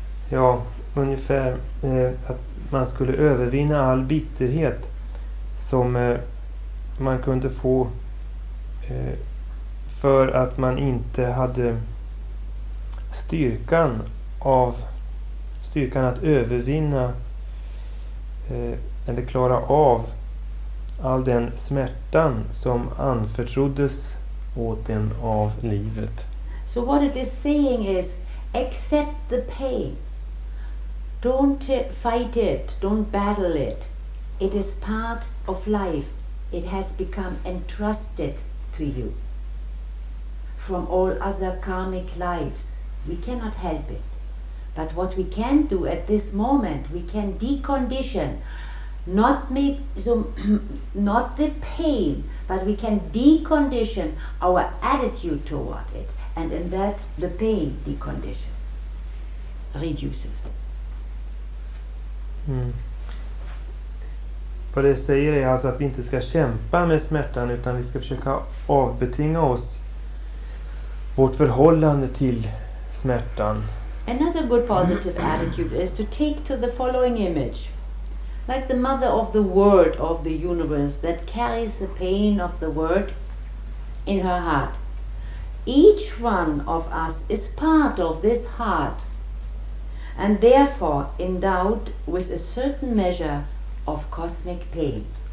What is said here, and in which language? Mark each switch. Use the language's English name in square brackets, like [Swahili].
[Swedish] Ja, ungefär att man skulle övervinna all bitterhet som man kunde få för att man inte hade styrkan att övervinna eller klara av all den smärtan som anförtroddes åt en av livet. [English] So what it is saying is, accept the pain. Don't fight it, don't battle it. It is part of life. It has become entrusted to you from all other karmic lives. We cannot help it. But what we can do at this moment, we can decondition, not the pain, but we can decondition our attitude toward it. And in that, the pain deconditions, reduces. [Swedish] Vad det säger är alltså att vi inte ska kämpa med smärtan, utan vi ska försöka avbetinga oss vårt förhållande till smärtan. [English] Another good positive attitude is to take to the following image, like the mother of the world, of the universe, that carries the pain of the world in her heart. Each one of us is part of this heart, and therefore endowed with a certain measure of cosmic pain.